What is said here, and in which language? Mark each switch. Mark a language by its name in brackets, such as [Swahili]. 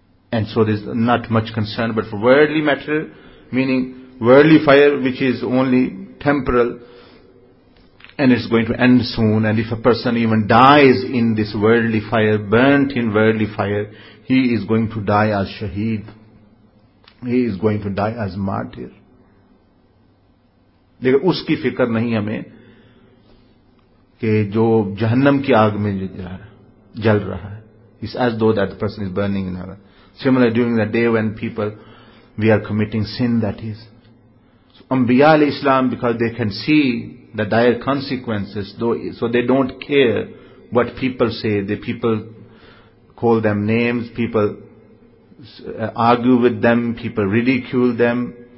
[English] And so there's not much concern, but for worldly matter, meaning worldly fire which is only temporal and it's going to end soon, and if a person even dies in this worldly fire, burnt in worldly fire, he is going to die as shaheed. He is going to die as martyr. [Urdu] لیکن اس کی فکر نہیں ہمیں کہ جو جہنم کی آگ میں جل رہا ہے. [English] It's as though that the person is burning in heaven. Similarly, during the day when people, we are committing sin, that is. So, انبیاء علیہ السلام, because they can see the dire consequences, though, so they don't care what people say. The people call them names, people argue with them, people ridicule them.